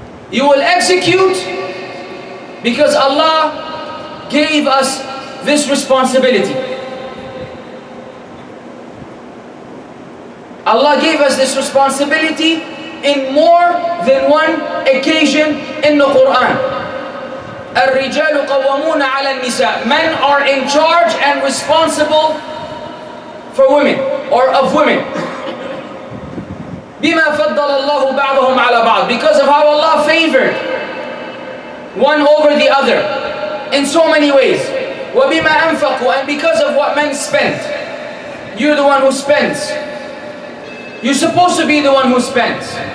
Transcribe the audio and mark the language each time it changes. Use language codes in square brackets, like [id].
[en] You will execute because Allah gave us this responsibility. Allah gave us this responsibility in more than one occasion in the Quran. [ar] الرجال قوامون على النساء. [en] Men are in charge and responsible for women or of women. [ar] بما فضل الله بعضهم على بعض. [en] Because of how Allah favored one over the other in so many ways. [ar] وبما أنفقوا. [en] And because of what men spent. You're the one who spends. You're supposed to be the one who spends.